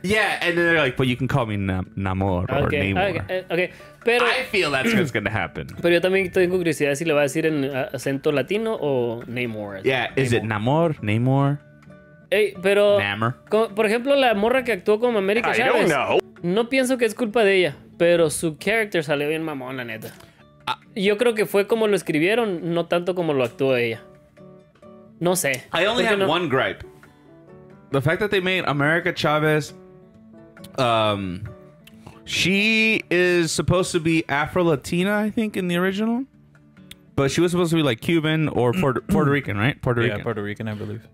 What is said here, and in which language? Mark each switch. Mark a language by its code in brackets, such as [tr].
[en] Yeah, and then they're like, but you can call me Namor or Namor. [es] Okay, pero [en] I feel that's what's going to happen. [es] Pero yo también tengo curiosidad si le va a decir en acento latino o Namor. [en] Yeah, is it Namor, Namor? [es] Hey, pero Namor. Por ejemplo, la morra que actuó como América Chávez. [en] I don't know. [es] No pienso que es culpa de ella, pero su character salió bien mamón, la neta. Yo creo que fue como lo escribieron, no tanto como lo actuó ella. No sé. [en] I only have one gripe. The fact that they made America Chavez, she is supposed to be Afro-Latina, I think, in the original. But she was supposed to be like Cuban or Puerto Rican, right? Puerto Rican, I believe.